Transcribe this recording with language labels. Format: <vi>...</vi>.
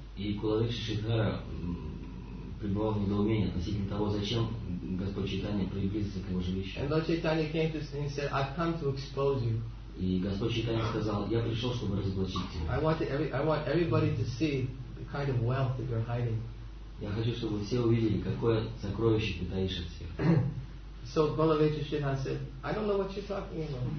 <ru>И Kolevich Shrinath пребывал в недоумении относительно того, зачем Господь Чайтанья приблизился к его жилищу.</ru> <en>And Lord Chaitanya came to him and said, I've come to expose you.</en> <ru>И Господь Чайтанья сказал, я пришел, чтобы разоблачить тебя.</ru> <en>I want everybody to see the kind of wealth that you're hiding.</en> <ru>Я хочу, чтобы все увидели, какое сокровище ты таишь от всех.</ru> <en>So Kolevich Shrinath said, I don't know what you're talking about.</en>